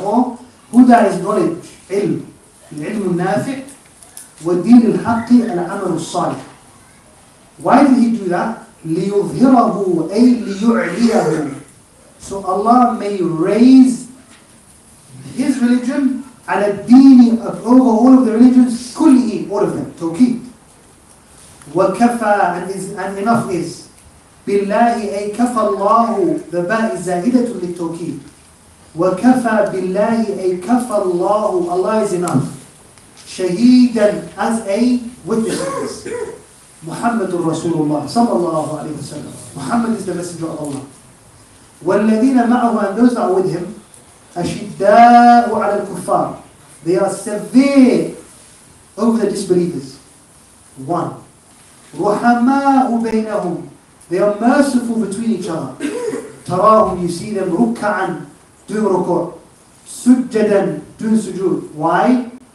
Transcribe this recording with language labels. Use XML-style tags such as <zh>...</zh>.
<en>Or Huda is knowledge, ilm.</en> <ar>Ilm al-Nafi' wa deen al-haqqi</ar> <en>and Amr al-Salih. Why did he do that?</en> <ar>لِيُظْهِرَهُ أَيْ لِيُعْلِيَهُ</ar> <en>So Allah may raise His religion</en> <ar>على الدين</ar> <en>over all of the religions, كله, all of them, توكيد.</en> <ar>وَكَفَى</ar> <en>and enough is</en> <ar>بِاللَّهِ أَيْ كَفَى اللَّهُ</ar> <en>The ba is</en> <ar>زَاهِدَةٌ لِلْتَوْكِيدِ وَكَفَى بِاللَّهِ أَيْ كَفَى اللَّهُ</ar> <en>Allah is enough. شَهِيدًا as a witness.</en> <ar>محمد رسول الله صلى الله عليه وسلم محمد</ar> <en>is the messenger of Allah</en> <ar>والذين معه</ar> <en>and those that are with him</en> <ar>أشداء على الكفار</ar> <en>they are severe over the disbelievers one</en> <ar>رحماء بينهم</ar> <en>they are merciful between each other تراهم you see them ركعا doing ركوع سجدا doing سجود why?</en>